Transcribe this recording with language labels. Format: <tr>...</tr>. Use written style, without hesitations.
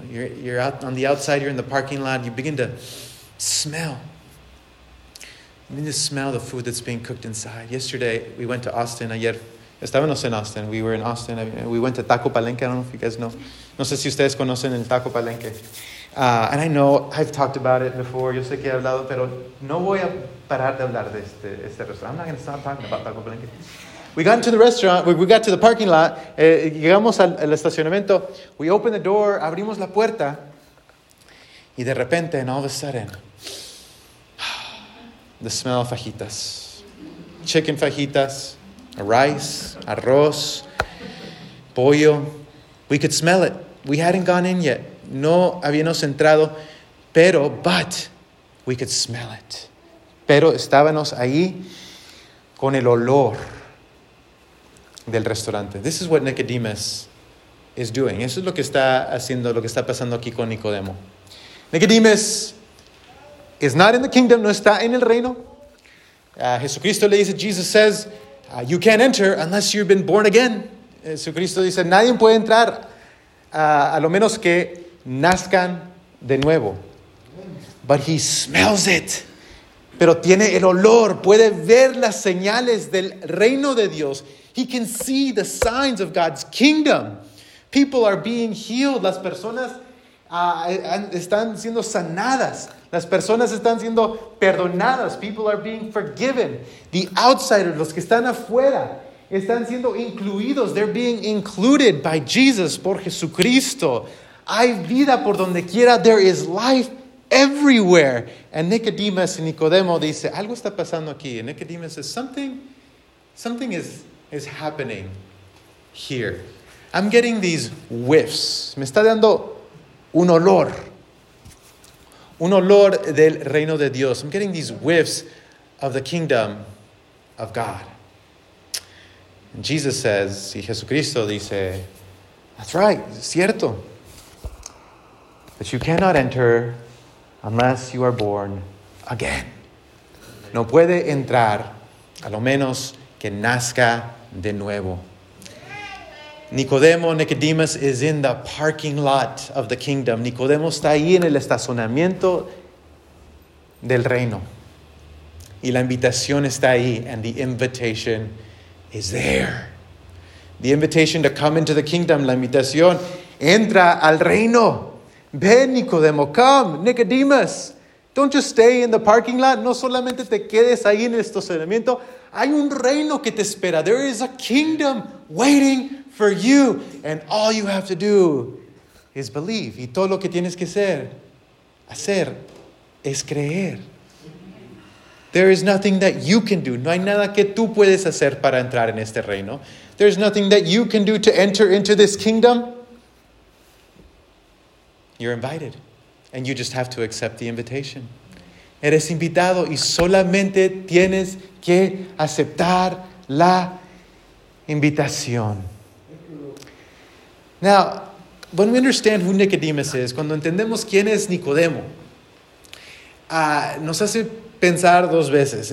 <en>You're out on the outside, you're in the parking lot, you begin to smell. I mean, the smell of the food that's being cooked inside. Yesterday, we went to Austin.</en> <es>Ayer, estábamos en Austin.</es> <en>We were in Austin. We went to Taco Palenque. I don't know if you guys know.</en> <es>No sé si ustedes conocen el Taco Palenque.</es> <en>And I know I've talked about it before.</en> <es>Yo sé que he hablado, pero no voy a parar de hablar de este restaurante.</es> <en>I'm not going to stop talking about Taco Palenque. We got into the restaurant. We got to the parking lot.</en> <es>Llegamos al estacionamiento.</es> <en>We opened the door.</en> <es>Abrimos la puerta. Y de repente,</es> <en>and all of a sudden, the smell of fajitas, chicken fajitas, rice,</en> <es>arroz, pollo.</es> <en>We could smell it. We hadn't gone in yet. No habíamos entrado, but we could smell it.</en> <es>Pero estábamos ahí con el olor del restaurante.</es> <en>This is what Nicodemus is doing.</en> <es>Eso es lo que está haciendo, lo que está pasando aquí con Nicodemo.</es> <en>Nicodemus is not in the kingdom,</en> <es>no está en el reino. Jesucristo le dice,</es> <en>Jesus says, you can't enter unless you've been born again.</en> <es>Jesucristo dice, nadie puede entrar a lo menos que nazcan de nuevo.</es> <en>But he smells it.</en> <es>Pero tiene el olor, puede ver las señales del reino de Dios.</es> <en>He can see the signs of God's kingdom. People are being healed.</en> <es>Las personas están siendo sanadas. Las personas están siendo perdonadas.</es> <en>People are being forgiven. The outsiders,</en> <es>los que están afuera, están siendo incluidos.</es> <en>They're being included by Jesus,</en> <es>por Jesucristo. Hay vida por donde quiera.</es> <en>There is life everywhere. And Nicodemus</en> <es>y Nicodemo dice, algo está pasando aquí.</es> <en>And Nicodemus says, something is happening here. I'm getting these whiffs.</en> <es>Me está dando un olor. un olor del reino de Dios.</es> <en>I'm getting these whiffs of the kingdom of God. And Jesus says,</en> <es>y Jesucristo dice,</es> <en>that's right,</en> <es>es cierto.</es> <en>But you cannot enter unless you are born again.</en> <es>No puede entrar a lo menos que nazca de nuevo.</es> <en>Nicodemo, Nicodemus is in the parking lot of the kingdom.</en> <es>Nicodemo está ahí en el estacionamiento del reino. Y la invitación está ahí,</es> <en>and the invitation is there. The invitation to come into the kingdom,</en> <es>la invitación, entra al reino. Ven, Nicodemo,</es> <en>come, Nicodemus. Don't just stay in the parking lot.</en> <es>No solamente te quedes ahí en el estacionamiento. Hay un reino que te espera.</es> <en>There is a kingdom waiting for you. And all you have to do is believe.</en> <es>Y todo lo que tienes que hacer es creer.</es> <en>There is nothing that you can do.</en> <es>No hay nada que tú puedes hacer para entrar en este reino.</es> <en>There is nothing that you can do to enter into this kingdom. You're invited. And you just have to accept the invitation.</en> <es>Eres invitado y solamente tienes que aceptar la invitación.</es> <en>Now, when we understand who Nicodemus is,</en> <es>cuando entendemos quién es Nicodemo, nos hace pensar dos veces.</es>